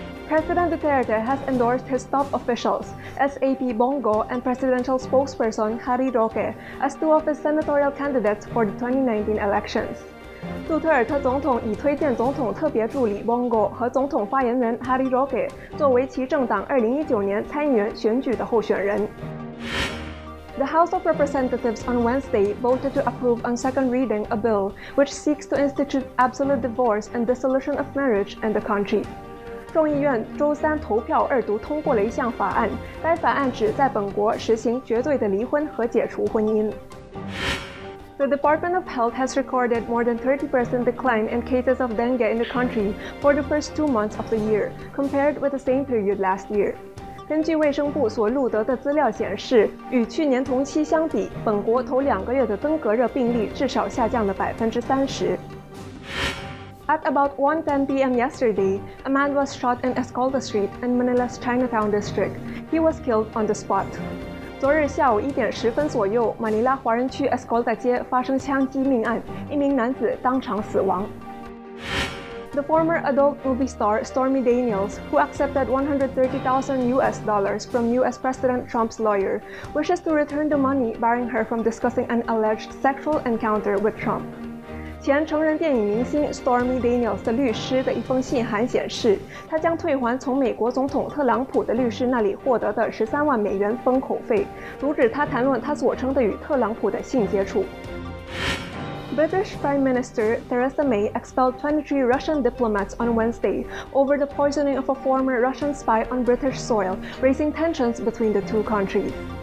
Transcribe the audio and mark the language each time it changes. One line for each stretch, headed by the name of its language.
English: President Duterte has endorsed his top officials, SAP Bong and presidential spokesperson Hari Roque, as two of his senatorial candidates for the 2019 elections.
Chinese: 杜特尔特总统已推荐总统特别助理 Bong 和总统发言人哈里Roque作为其政党2019年参议员选举的候选人。
English: The House of Representatives on Wednesday voted to approve on second reading a bill which seeks to institute absolute divorce and dissolution of marriage in the country.
Chinese: 众议院周三投票二读通过了一项法案，该法案旨在本国实行绝对的离婚和解除婚姻。
English: The Department of Health has recorded more than 30% decline in cases of dengue in the country for the first 2 months of the year, compared with the same period last year.
Chinese: 根据卫生部所录得的资料显示，与去年同期相比，本国头两个月的登革热病例至少下降了30%。
English: At about 1:10 p.m. yesterday, a man was shot in Escalda Street in Manila's Chinatown district. He was killed on the spot.
Chinese: 昨日下午1:10左右，马尼拉华人区 Escalda 街发生枪击命案，一名男子当场死亡。
English: The former adult movie star Stormy Daniels, who accepted $130,000 from U.S. President Trump's lawyer, wishes to return the money, barring her from discussing an alleged sexual encounter with Trump.
Chinese: 前成人电影明星 Stormy Daniels 的律师的一封信函显示，他将退还从美国总统特朗普的律师那里获得的$130,000封口费，阻止他谈论他所称的与特朗普的性接触。
English: British Prime Minister Theresa May expelled 23 Russian diplomats on Wednesday over the poisoning of a former Russian spy on British soil, raising tensions between the two countries.